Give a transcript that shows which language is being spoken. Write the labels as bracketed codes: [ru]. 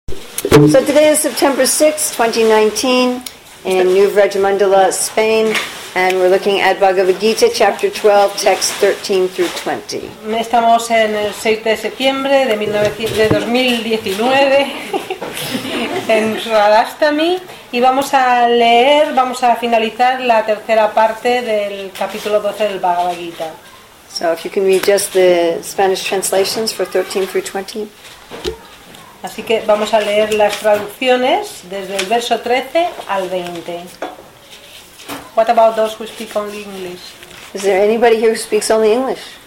[en] So today is September 6, 2019, in New Regimundala, Spain, and we're looking at Bhagavad Gita, chapter 12, text 13 through 20. [es] Estamos en el 6 de septiembre de 2019 en Radhastami y vamos a finalizar la tercera parte del capítulo 12 del Bhagavad Gita. [en] So if you can read just the Spanish translations for 13 through 20. [es] Así que vamos a leer las traducciones desde el verso 13 al 20. [en] What about those who speak only English? Is there anybody here who speaks only English?